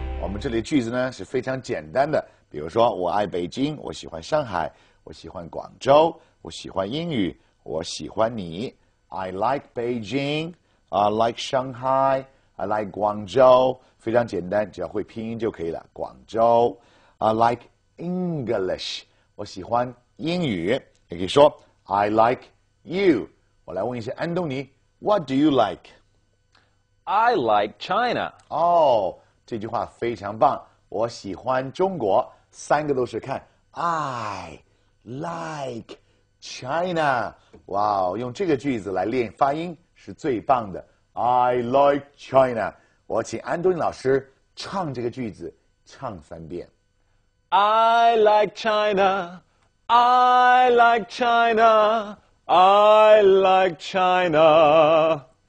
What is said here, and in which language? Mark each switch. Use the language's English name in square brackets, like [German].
[Chinese] 我们这里句子呢是非常简单的，比如说我爱北京，我喜欢上海，我喜欢广州，我喜欢英语，我喜欢你。 [English] I like Beijing. I like Shanghai. I like [Chinese] 广州，非常简单，只要会拼音就可以了。广州 ， [English] I like English， [Chinese] 我喜欢英语。也可以说 [English] I like you。 [Chinese] 我来问一下安东尼 ， [English] What do you like？ I like China。 [Chinese] 哦，这句话非常棒，我喜欢中国。三个都是看 [English] I like China。 [Chinese] 哇哦，用这个句子来练发音是最棒的。 [English] I like China. [Chinese] 我请安东尼老师唱这个句子，唱三遍。 [English] I like China. I like China. I like China.